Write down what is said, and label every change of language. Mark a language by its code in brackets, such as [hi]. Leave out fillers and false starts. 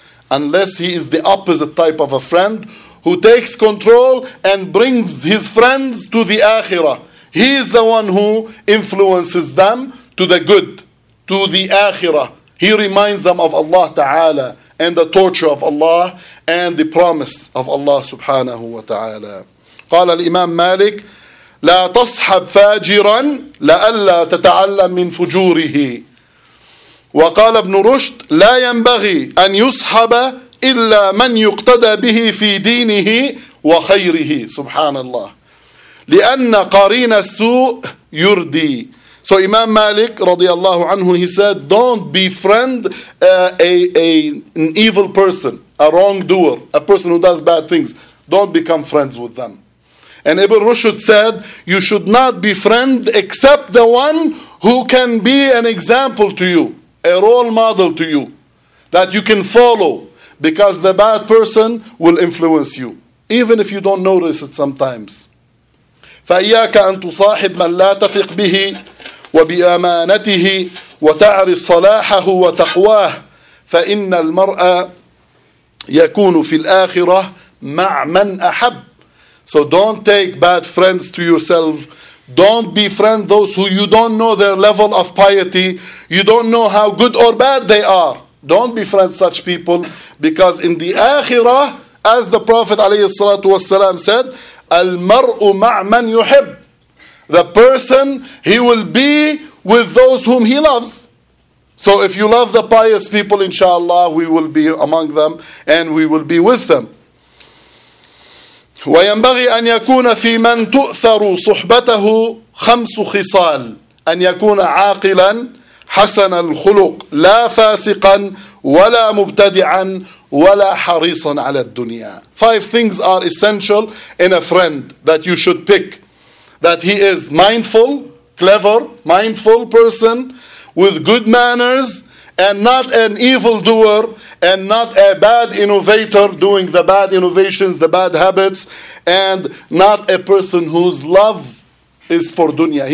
[en] Unless he is the opposite type of a friend who takes control and brings his friends to the akhirah. He is the one who influences them to the good, to the akhirah. He reminds them of Allah Ta'ala and the torture of Allah and the promise of Allah Subhanahu wa Ta'ala. [ar] قال الإمام مالك لا تصحب فاجرا لألا تتعلم من فجوره. وقال ابن رشد لا ينبغي أن يصحب إلا من يقتدى به في دينه وخيره. سبحان الله. لأن قارين السوء يردي. [en] So Imam Malik radiallahu anhu, he said, don't befriend an evil person, a wrongdoer, a person who does bad things. Don't become friends with them. And Ibn Rushd said, you should not befriend except the one who can be an example to you, a role model to you, that you can follow, because the bad person will influence you, even if you don't notice it sometimes. [ar] فَإِيَّاكَ أَن تُصَاحِبْ مَنْ لَا تَفِقْ بِهِ وبأمانته وتعرف صلاحه وتقواه فإن المرأة يكون في الآخرة مع من أحب. [en] So don't take bad friends to yourself. Don't befriend those who you don't know their level of piety. You don't know how good or bad they are. Don't befriend such people, because in the Akhirah, as the Prophet عليه الصلاة والسلام said, [ar] المرء مع من يحب. [en] the person, he will be with those whom he loves. So if you love the pious people, inshallah, we will be among them and we will be with them. [ar] وينبغي أن يكون في من تؤثر صحبته خمس خصال أن يكون عاقلا حسن الخلق لا فاسقا ولا مبتدعا ولا حريصا على الدنيا. [en] Five things are essential in a friend that you should pick. That he is mindful, clever, mindful person with good manners and not an evil doer and not a bad innovator doing the bad innovations, the bad habits, and not a person whose love is for dunya.